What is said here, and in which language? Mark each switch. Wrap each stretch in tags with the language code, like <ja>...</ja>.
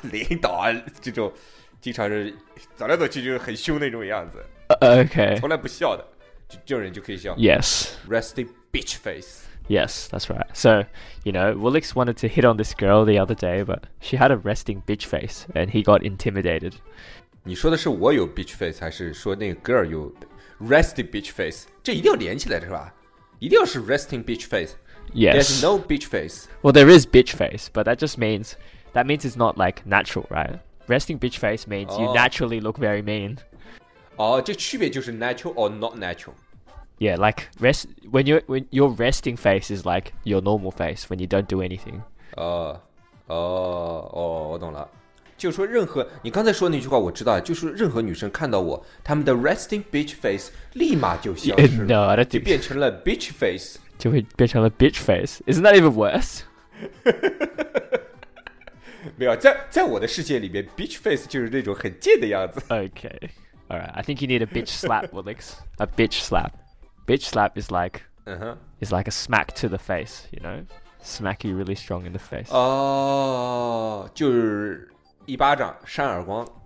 <zh>领导啊，这种经常是走来走去就是很凶那种样子。</zh> <en>Okay.</en> <zh>从来不笑的，就这种人就可以笑。</zh> <en>Yes. Resty bitch face. Yes, that's right. So, you know, Woolix wanted to hit on this girl the other day, but she had a resting bitch face, and he got intimidated.</en> <zh>你说的是我有 bitch face, 还是说那个 girl 有 resting bitch face? 这一定要连起来的是吧？一定要是 resting bitch face.</zh> <en>Yes. There's no bitch face. Well, there is bitch face, but that means it's not like natural, right? Resting bitch face means you naturally look very mean.</en> <zh>哦，这区别就是</zh> <en>natural or not natural. Yeah, like when your resting face is like your normal face when you don't do anything.</en> <zh>Oh, 我懂了。就说任何你刚才说那句话，我知道，就是任何女生看到我，她们的 resting bitch face 立马就消失了，</zh> <en>yeah, no, I don't think...</en> <zh>就变成了 bitch face，就会变成了 bitch face.</zh> <en>Isn't that even worse?</en> <zh>没有，在我的世界里面 ，bitch face 就是那种很贱的样子。</zh> <en>Okay, all right. I think you need a bitch slap, Alex. A bitch slap. Bitch slap is like, is like a smack to the face, you know? Smack you really strong in the face.</en> <zh>Oh, 就是一巴掌扇耳光。</zh>